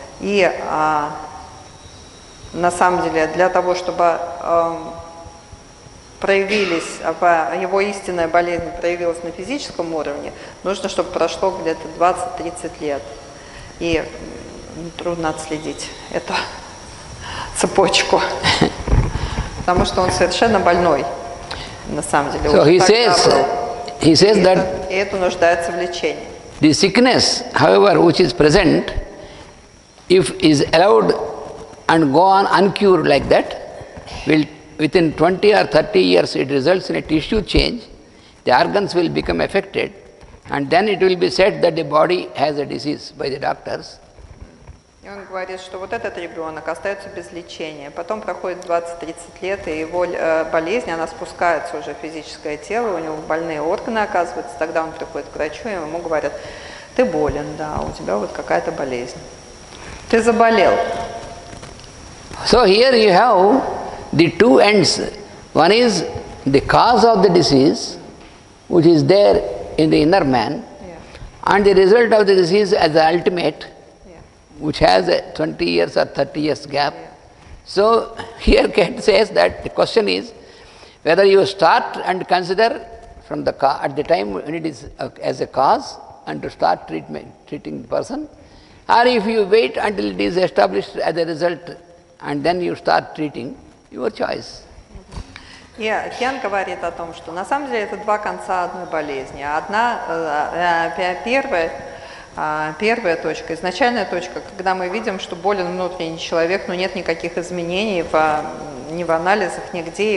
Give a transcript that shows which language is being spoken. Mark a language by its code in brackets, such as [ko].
[ru] И на самом деле, для того, чтобы его истинная болезнь проявилась на физическом уровне, нужно, чтобы прошло где-то 20-30 лет. И трудно отследить эту цепочку, потому что он совершенно больной, на самом деле. [en] So he says that [ru] это нуждается в лечении. [en] The sickness, however, which is present, if is allowed and go on uncured like that, will within 20 or 30 years it results in a tissue change, the organs will become affected, and then it will be said that the body has a disease by the doctors. [ru] И он говорит, что вот этот ребенок остается без лечения. Потом проходит 20-30 лет, и его болезнь, она спускается уже в физическое тело, у него больные органы оказываются. Тогда он приходит к врачу, и ему говорят, ты болен, да, у тебя вот какая-то болезнь. Ты заболел. [en] So here you have the two ends. One is the cause of the disease, which is there in the inner man, and the result of the disease as the ultimate, which has a 20 years or 30 years gap. So here Kent says that the question is whether you start and consider from the at the time when it is as a cause and to start treatment, treating the person, Or if you wait until it is established as a result and then you start treating, your choice. [ru] И Кен говорит о том, что на самом деле это два конца одной болезни. Одна, первая точка, изначальная точка, когда мы видим, что болен внутренний человек, но нет никаких изменений ни в анализах, нигде.